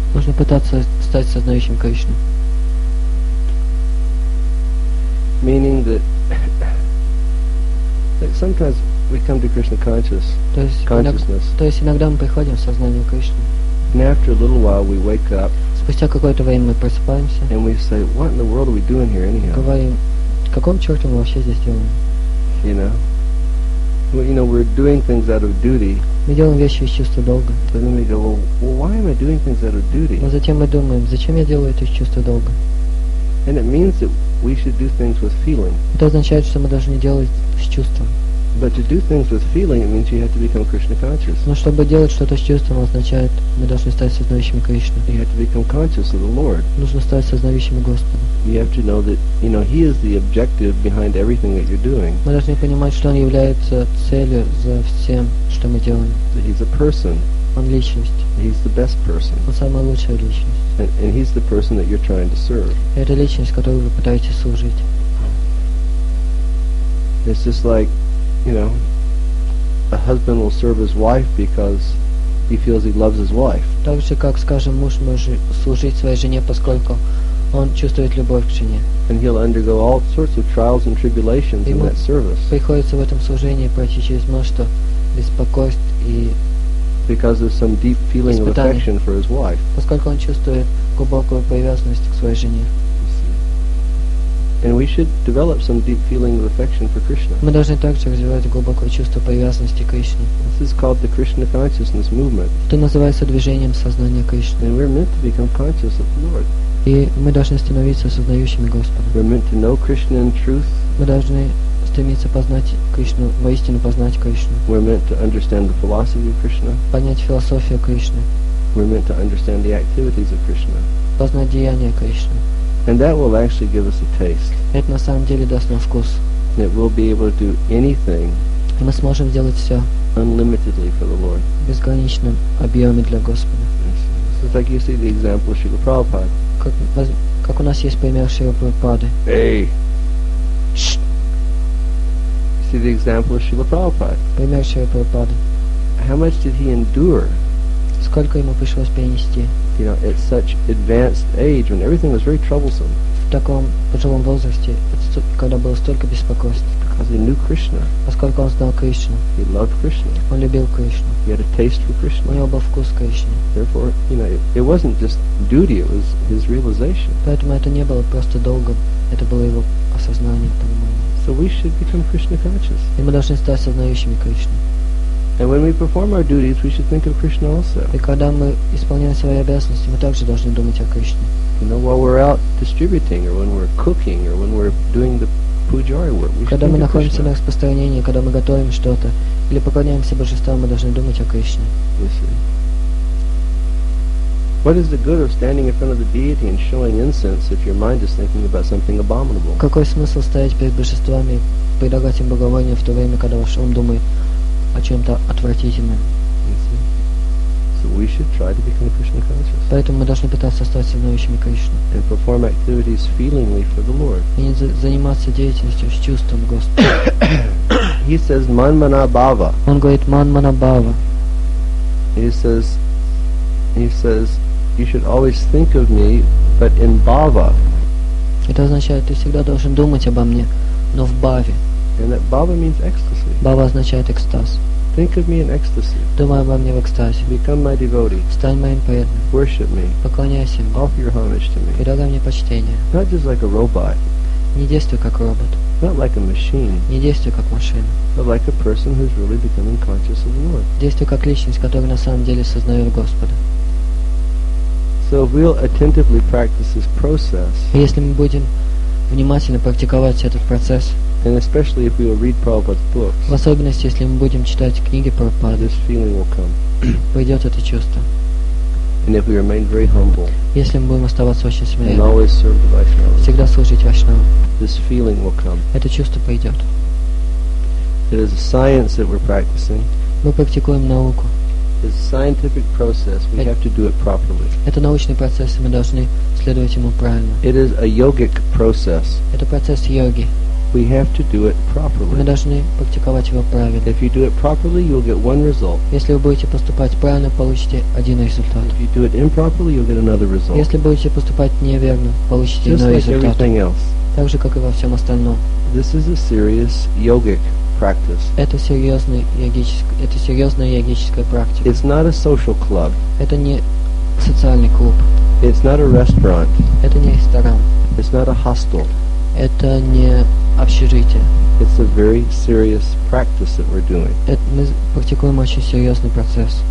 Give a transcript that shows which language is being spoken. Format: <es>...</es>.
<ru>Нужно пытаться стать сознающим Кришну.</ru> <en>Meaning that sometimes we come to Krishna conscious.</en> <ru>То есть иногда мы приходим в сознание Кришны.</ru> <en>And after a little while we wake up.</en> <ru>Спустя какое-то время мы просыпаемся.</ru> <en>And we say, what in the world are we doing here anyhow?</en> <ru>Говорим, каком черте мы вообще здесь делаем?</ru> <en>You know. Well, you know, we're doing things out of duty.</en> <ru>Мы делаем вещи из чувства долга.</ru> <en>But then we go, well, why am I doing things out of duty?</en> <ru>Но затем мы думаем, зачем я делаю это из чувства долга?</ru> <en>And it means that we should do things with feeling.</en> <ru>Это означает, что мы должны делать с чувством.</ru> <en>But to do things with feeling, it means you have to become Krishna conscious.</en> <ru>Но чтобы делать что-то с чувством, означает, мы должны стать сознающими Кришны.</ru> <en>You have to become conscious of the Lord.</en> <ru>Нужно стать сознающими Господа.</ru> <en>You have to know that, you know, He is the objective behind everything that you're doing.</en> <ru>Мы должны понимать, что Он является целью за всем, что мы делаем.</ru> <en>That He's a person.</en> <ru>Он личность.</ru> <en>He's the best person.</en> <ru>Он самая лучшая личность.</ru> <en>And He's the person that you're trying to serve.</en> <ru>И это личность, которую вы пытаетесь служить.</ru> <en>It's just like, you know, a husband will serve his wife because he feels he loves his wife.</en> <ru>Так же, как, скажем, муж может служить своей жене, поскольку он чувствует любовь к жене.</ru> <en>And he'll undergo all sorts of trials and tribulations in that service.</en> <ru>Приходится в этом служении пройти через множество беспокойств и</ru> <en>because of some deep feeling</en> <ru>испытаний,</ru> <en>of affection for his wife.</en> <ru>Поскольку он чувствует глубокую привязанность к своей жене.</ru> <en>And we should develop some deep feeling of affection for Krishna.</en> <ru>Мы должны также развивать глубокое чувство привязанности к Кришне.</ru> <en>This is called the Krishna consciousness movement.</en> <ru>Это называется движением сознания Кришны.</ru> <en>And we're meant to become conscious of the Lord.</en> <ru>И мы должны становиться сознающими Господа.</ru> <en>We're meant to know Krishna in truth.</en> <ru>Мы должны стремиться познать Кришну, воистину познать Кришну.</ru> <en>We're meant to understand the philosophy of Krishna.</en> <ru>Понять философию Кришны.</ru> <en>We're meant to understand the activities of Krishna.</en> <ru>Познать деяния Кришны.</ru> <en>And that will actually give us a taste.</en> <ru>Это на самом деле даст нам вкус.</ru> <en>That we'll be able to do anything.</en> <ru>И мы сможем делать все.</ru> <en>Unlimitedly for the Lord.</en> <ru>В безграничном объеме для Господа.</ru> <en>So it's like you see the example of Srila Prabhupada.</en> <ru>Как у нас есть пример Шрилы Прабхупады.</ru> <en>Hey. See the example of Srila Prabhupada.</en> <ru>Пример Шрилы Прабхупады.</ru> <en>how much did he endure?</en> <ru>Сколько ему пришлось перенести?</ru> <en>You know, at such advanced age, when everything was very troublesome.</en> <ru>В таком пожилом возрасте, когда было столько беспокойств.</ru> <en>Because he knew Krishna.</en> <ru>Поскольку он знал Кришну.</ru> <en>He loved Krishna.</en> <ru>Он любил Кришну.</ru> <en>He had a taste for Krishna.</en> <ru>У него был вкус Кришны.</ru> <en>Therefore, you know, it wasn't just duty; it was his realization.</en> <ru>Поэтому это не было просто долгом, это было его осознание, понимание.</ru> <en>So we should become Krishna conscious.</en> <ru>И мы должны стать сознающими Кришну.</ru> <en>And when we perform our duties, we should think of Krishna also.</en> <ru>И когда мы исполняем свои обязанности, мы также должны думать о Кришне.</ru> <en>You know, while we're out distributing, or when we're cooking, or when we're doing the pujari work, we should think of Krishna.</en> <ru>На распространении, когда мы готовим что-то или поклоняемся божествам, мы должны думать о Кришне.</ru> <en>You see. What is the good of standing in front of the deity and showing incense if your mind is thinking about something abominable?</en> <ru>Какой смысл стоять перед божествами, предлагать им богование в то время, когда ваш ум думает о чем-то отвратительном?</ru> <en>So we should try to become Krishna conscious.</en> <ru>Поэтому мы должны пытаться стать сознающими Кришну.</ru> <en>And perform activities feelingly for the Lord.</en> <ru>И заниматься деятельностью с чувством Господа.</ru> <en>He says manmana bhava.</en> <ru>Он говорит манмана бхава.</ru> <en>He says, you should always think of me, but in bhava.</en> <ru>Это означает, ты всегда должен думать обо мне, но в бхаве.</ru> <en>And that bhava means ecstasy.</en> <ru>Бхава означает экстаз.</ru> <en>Think of me in ecstasy.</en> <ru>Думай обо мне в экстазе.</ru> <en>Become my devotee.</en> <ru>Стань моим преданным.</ru> <en>Worship me.</en> <ru>Поклоняйся мне.</ru> <en>Offer your homage to me.</en> <ru>Предлагай мне почтение.</ru> <en>Not just like a robot.</en> <ru>Не действуй как робот.</ru> <en>Not like a machine.</en> <ru>Не действуй как машина.</ru> <en>But like a person who's really becoming conscious of the Lord.</en> <ru>Действуй как личность, которая на самом деле сознает Господа.</ru> <en>So if we'll attentively practice this process.</en> <ru>Если мы будем внимательно практиковать этот процесс.</ru> <en>And especially if we will read Prabhupada's books.</en> <ru>В особенности, если мы будем читать книги Прабхупады.</ru> <en>This feeling will come.</en> <ru>Пойдет это чувство.</ru> <en>And if we remain very humble.</en> <ru>Если мы будем оставаться очень смиренными.</ru> <en>And always serve the Vaishnavas.</en> <ru>Всегда служить Вайшнавам.</ru> <en>This feeling will come.</en> <ru>Это чувство пойдет.</ru> <en>It is a science that we're practicing.</en> <ru>Мы практикуем науку.</ru> <en>It's a scientific process. We have to do it properly.</en> <ru>Это научный процесс, и мы должны следовать ему правильно.</ru> <en>It is a yogic process.</en> <ru>Это процесс йоги.</ru> <en>We have to do it properly.</en> <ru>Мы должны практиковать его правильно.</ru> <en>If you do it properly, you'll get one result.</en> <ru>Если вы будете поступать правильно, получите один результат.</ru> <en>If you do it improperly, you'll get another result.</en> <ru>Если будете поступать неверно, получите</ru> <en>Just</en> <ru>иной</ru> <en>like</en> <ru>результат.</ru> <en>Everything else.</en> <ru>Так же, как и во всем остальном.</ru> <en>This is a serious yogic practice.</en> <ru>Это серьезная йогическая практика.</ru> <en>It's not a social club.</en> <ru>Это не социальный клуб.</ru> <en>It's not a restaurant.</en> <ru>Это не ресторан.</ru> <en>It's not a hostel.</en> <ru>Это не общежитие.</ru> <en>It's a very serious practice that we're doing.</en> <ru>Мы практикуем очень серьезный процесс.</ru>